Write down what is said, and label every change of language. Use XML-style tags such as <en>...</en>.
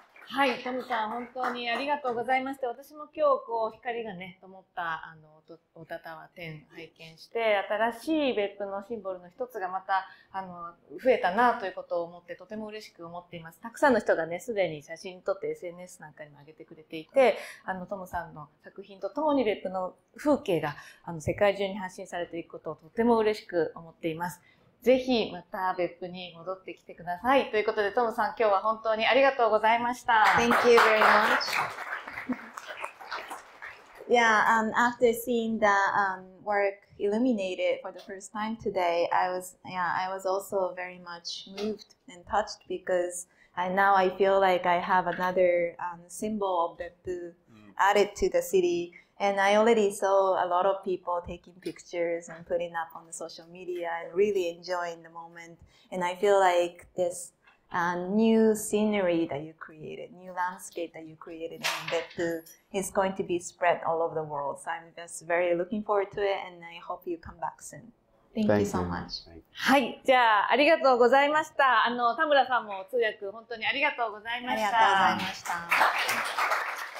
<ja>はい、トムさん本当にありがとうございました。私も今日こう光がね灯ったあのオタタワ展拝見して、新しい別府のシンボルの一つがまたあの増えたなということを思ってとても嬉しく思っています。たくさんの人がねすでに写真撮って SNS なんかにも上げてくれていて、あのトムさんの作品とともに別府の風景があの世界中に発信されていくことをとても嬉しく思っています。ぜひまた別府に戻ってきてくださいということで、トムさん今日は本当にありがとうございました。</ja> <en>Thank you very much. Yeah, after seeing the work illuminated for the first time today, I was also very much moved and touched because I, now I feel like I have another symbol of Beppu added to the city. And I already saw a lot of people taking pictures and putting up on the social media and really enjoying the moment. And I feel like this new scenery that you created, new landscape that you created in Beppu is going to be spread all over the world. So I'm just very looking forward to it and I hope you come back soon. Thank you so much.</en> <ja>はい、じゃあありがとうございました。田村さんも通訳本当にありがとうございました。ありがとうございました。</ja>